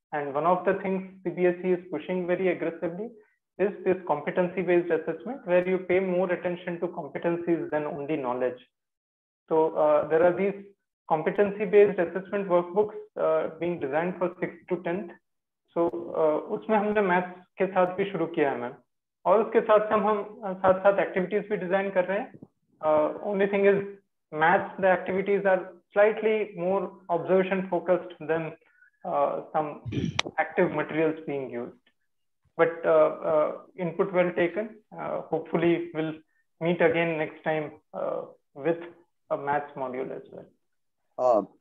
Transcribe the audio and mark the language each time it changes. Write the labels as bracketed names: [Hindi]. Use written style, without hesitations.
[English] And one of the things CBSE is pushing very aggressively is this competency-based assessment, where you pay more attention to competencies than only knowledge. So there are these competency-based assessment workbooks being designed for 6th to 10th. [Hindi] So, उसमें हमने maths के साथ भी शुरू किया है ma'am, और उसके साथ साथ हम साथ साथ activities भी design कर रहे हैं. [English] Only thing is maths, the activities are slightly more observation focused than some active materials being used. But input well taken. Hopefully we'll meet again next time with a maths module as well.